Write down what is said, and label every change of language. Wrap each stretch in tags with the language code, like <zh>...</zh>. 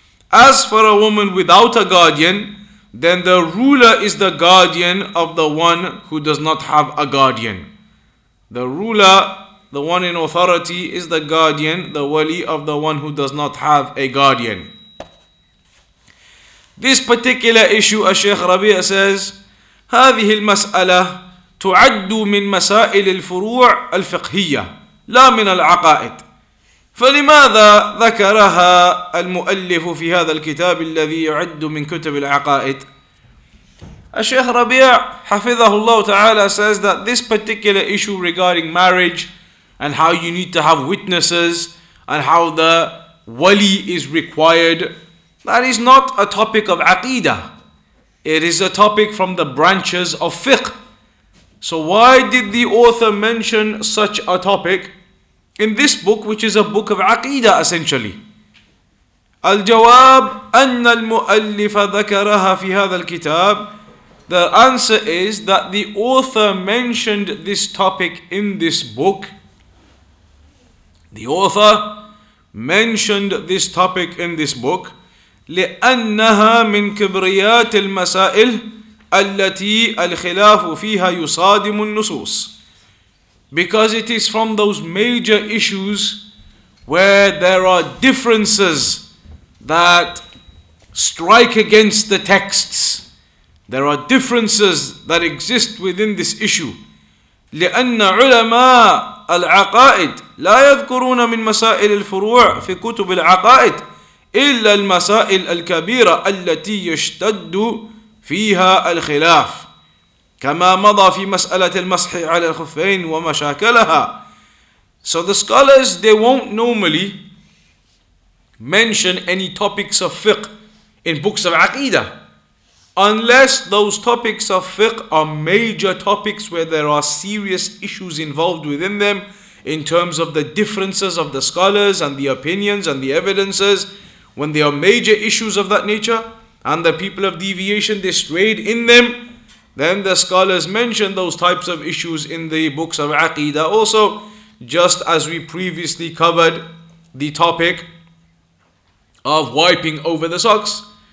<en>As for a woman without a guardian, then the ruler is the guardian of the one who does not have a guardian. The ruler, the one in authority, is the guardian, the wali, of the one who does not have a guardian. This particular issue, as Shaykh Rabee says,</en> <ar>هذه المسألة تعد من مسائل الفروع الفقهية لا من العقائد فلماذا ذكرها المؤلف في هذا الكتاب الذي يعد من كتب العقائد.</ar> <en>الشيخ ربيع</en> <ar>حفظه الله تعالى</ar> <en>says that this particular issue regarding marriage and how you need to have witnesses and how the wali is required, that is not a topic of aqeedah. It is a topic from the branches of fiqh. So why did the author mention such a topic in this book, which is a book of aqeedah essentially?</en> <ar>الجواب أن المؤلف ذكرها في هذا الكتاب.</ar> <en>The answer is that the author mentioned this topic in this book. The author mentioned this topic in this book.</en> <ar>لأنها من كبريات المسائل التي الخلاف فيها يصادم النصوص.</ar> <en>Because it is from those major issues where there are differences that strike against the texts. There are differences that exist within this issue.</en> <ar>لأن علماء العقائد لا يذكرون من مسائل الفروع في كتب العقائد إلا المسائل الكبيرة التي يشتد فيها الخلاف كما مضى في مسألة المسح على الخفين ومشاكلها.</ar> <en>So the scholars, they won't normally mention any topics of fiqh in books of Aqeedah. Unless those topics of fiqh are major topics where there are serious issues involved within them, in terms of the differences of the scholars and the opinions and the evidences, when there are major issues of that nature, and the people of deviation, they strayed in them, then the scholars mention those types of issues in the books of Aqeedah also, just as we previously covered the topic of wiping over the socks.</en>